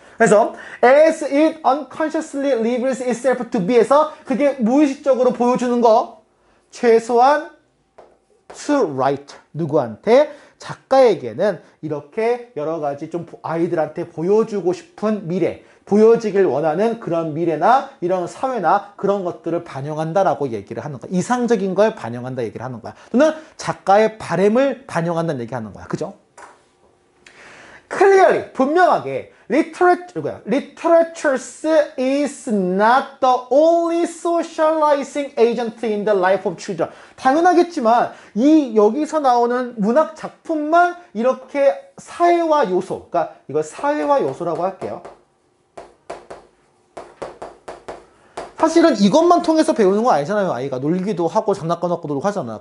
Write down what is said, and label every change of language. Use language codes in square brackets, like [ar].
[ko] 그래서 [en] as it unconsciously reveals itself to be [ko] 에서 그게 무의식적으로 보여주는 거 최소한 [en] to write [ko] 누구한테 작가에게는 이렇게 여러 가지 좀 아이들한테 보여주고 싶은 미래 보여지길 원하는 그런 미래나 이런 사회나 그런 것들을 반영한다라고 얘기를 하는 거야. 이상적인 걸 반영한다 얘기를 하는 거야. 또는 작가의 바람을 반영한다는 얘기 하는 거야. 그죠? [en] Clearly, [ko] 분명하게 [en] literature is not the only socializing agent in the life of children. [ko] 당연하겠지만 이 여기서 나오는 문학 작품만 이렇게 사회화 요소, 그러니까 이거 사회화 요소라고 할게요. 사실은 이것만 통해서 배우는 거 아니잖아요. 아이가 놀기도 하고 장난감 갖고 놀고 하잖아.